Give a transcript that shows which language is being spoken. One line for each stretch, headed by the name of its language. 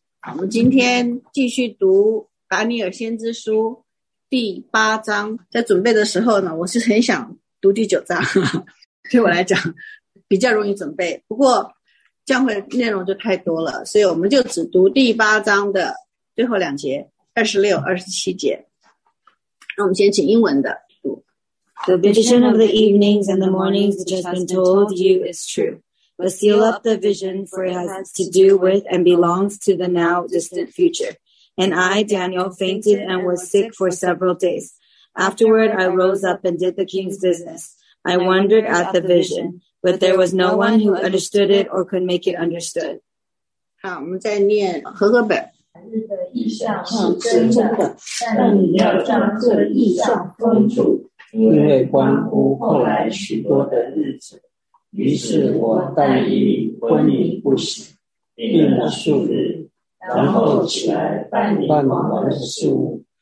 Chinese: 我们今天继续读达尼尔先知书第8章。在准备的时候呢，我是很想读第9章，对我来讲比较容易准备，不过这样会内容就太多了，所以我们就只读第8章的最后2节26-27节。那我们先请英文的读。
English: The vision of the evenings and the mornings which has been told you is true, but seal up the vision, for it has to do with and belongs to the now distant future. And I, Daniel, fainted and was sick for several days. Afterward, I rose up and did the king's business. I wondered at the vision. But there was no one who understood it or could make it understood.
Chinese: 好，我们再念和合本。日的意象是真的，但你要将这意象封住，因为关乎后来许多的日子。于是我但以你昏迷不醒，病了数日，然后起来办理我的事务。